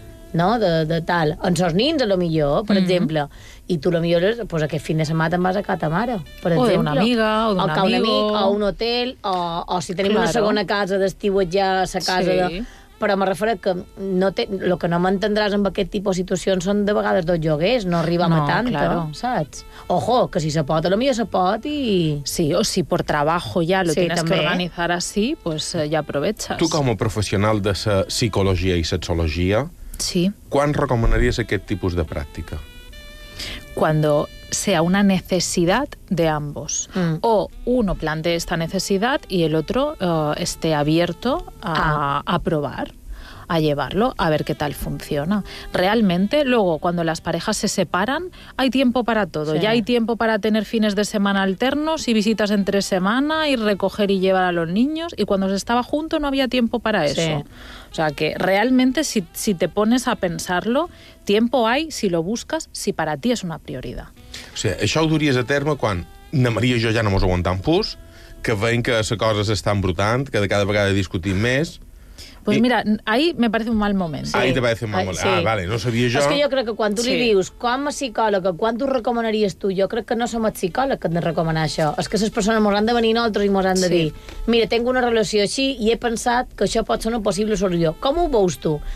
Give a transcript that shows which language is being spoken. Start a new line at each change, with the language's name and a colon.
Catalan: No? De tal. En sos nins, a lo millor, per exemple. I tu, a lo millor, pues, aquest fin de setmana te'n vas a casa ta mare, per exemple. O d'una amiga, o d'un amigo. O un amic, o un hotel, o si tenim una segona casa d'estiuet ja a sa casa. Sí. De... Però me refereix que el que no m'entendràs amb aquest tipus de situacions són de vegades dos lloguers, no arribem no, a tant, claro. Saps? Ojo, que si se pot, a lo millor se pot i...
Spanish: Sí, o si por trabajo ya lo tienes que organizar así, pues ya aprovechas.
Catalan: Tu, com a professional de sa psicologia i sexologia, sí.
Spanish: ¿Cuán recomendarías
Catalan: aquest tipus de pràctica?
Spanish: Cuando sea una necesidad de ambos. Mm. O uno plantee esta necesidad y el otro esté abierto a probar. a llevarlo, a ver qué tal funciona. Realmente, luego, cuando las parejas se separan, hay tiempo para todo. Sí. Ya hay tiempo para tener fines de semana alternos y visitas entre semana y recoger y llevar a los niños. Y cuando se estaba junto no había tiempo para eso. Sí. O sea que realmente, si te pones a pensarlo, tiempo hay si lo buscas, si para ti es una prioridad.
Catalan: O sea, això ho duries a terme quan na Maria i jo ja no mos aguantam pus, que veiem que la cosa s'està embrutant, que de cada vegada discutim més.
Spanish: Pues mira, ahí me parece un mal momento. Ahí te parece un mal momento. Sí. Ah, vale, no sabía yo. Es que yo creo que cuando tú le dices, ¿cuán psicóloga? ¿Cuánto recomendarías tú? Yo creo que no somos psicólogos que te recomendan eso. Es que esas personas nos han de venir nosotros y nos han de decir, mira, tengo una relación así y he pensado que eso puede ser una posible solución. ¿Cómo lo ves tú?